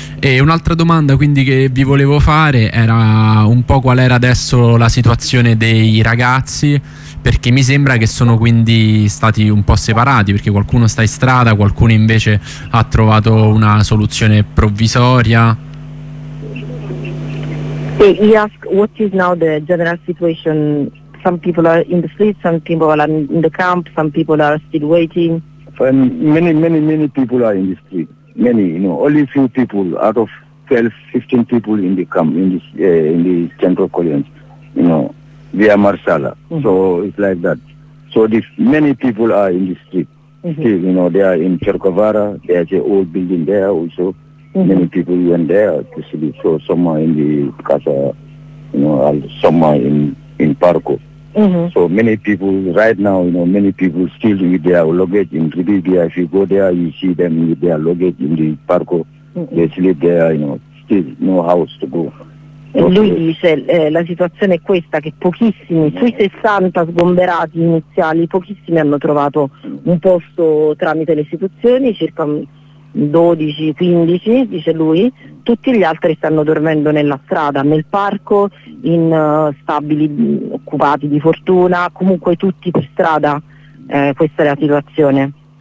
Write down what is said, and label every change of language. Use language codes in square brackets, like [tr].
[it] E un'altra domanda quindi che vi volevo fare era un po' qual era adesso la situazione dei ragazzi, perché mi sembra che sono quindi stati un po' separati, perché qualcuno sta in strada, qualcuno invece ha trovato una soluzione provvisoria. [en] He asked what is now the general situation. Some people are in the street, some people are in the camp, some people are still waiting. Many people are in the street. Many, you know, only few people out of 12-15 people in the camp, in the central Koreans, you know, via Marsala. Mm-hmm. So it's like that. So this, many people are in the street. Mm-hmm. Still, you know, they are in Cherkovara, there's an old building there also. Mm-hmm. Many people went there to see, so some are in the Casa, you know, some are in Parco. Mm-hmm. So many people right now, you know, many people still with their luggage in Tribibia. If you go there, you see them with their luggage in the Parco. Mm-hmm. They sleep there, you know, still no house to go. [it] E lui dice la situazione è questa, che pochissimi, sui 60 sgomberati iniziali, pochissimi hanno trovato un posto tramite le istituzioni, circa 12-15, dice lui, tutti gli altri stanno dormendo nella strada, nel parco, in stabili occupati di fortuna, comunque tutti per strada, questa è la situazione.